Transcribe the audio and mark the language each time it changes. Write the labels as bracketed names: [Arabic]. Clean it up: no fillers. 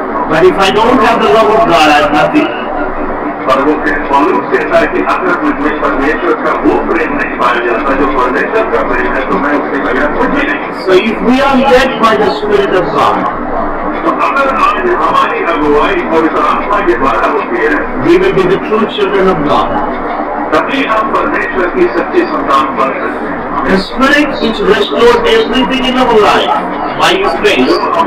[English] But if I don't have the love of God, I have nothing. [Hindi] पर वो पॉलुस कहता है कि अगर मुझ में परमेश्वर का वो प्रेम नहीं पाया जाता जो परमेश्वर का प्रेम है तो मैं उसके बगैर कुछ नहीं. [English] So if we are led by the Spirit of God, [Hindi] तो अगर आज हमारी अगुवाई पवित्र आत्मा के द्वारा होती है, [English] we will be the true children of God. [Hindi] तभी हम परमेश्वर की सच्ची संतान बन सकते हैं. [English] The Spirit which restores everything in our life by His grace.